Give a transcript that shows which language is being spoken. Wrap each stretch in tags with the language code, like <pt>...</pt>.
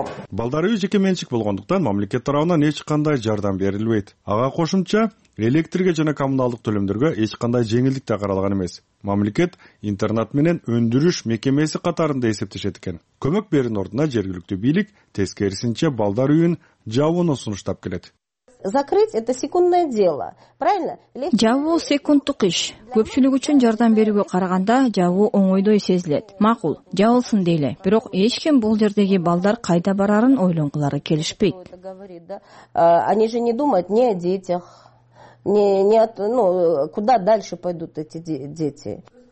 <ky>Балдары жеке менчик болгондуктан мамлекет тарабынан эч кандай жардам берилбейт. Ага кошумча электрге жана коммуналдык төлөмдөргө эч кандай жеңилдик да каралган эмес. Мамлекет интернат менен өндүрүш мекемеси катарында эсептешет экен. Көмөк берүүнүн ордуна жергиликтүү бийлик тескерисинче балдар үйүн жабууну сунуштап келет.</ky> <ru>Закрыть это секундное дело. Правильно?</ru> <ky>Жабуу секундтук иш. Көпчүлүк үчүн жардам берүүгө караганда жабуу оңойдой сезилет. Макул, жабылсын дейли. Бирок эч ким бул жердеги балдар кайда барарын ойлонгулары келишпейт.</ky> <ru>Они же не думают ни о детях, ни о, ну, куда дальше пойдут эти дети.</ru>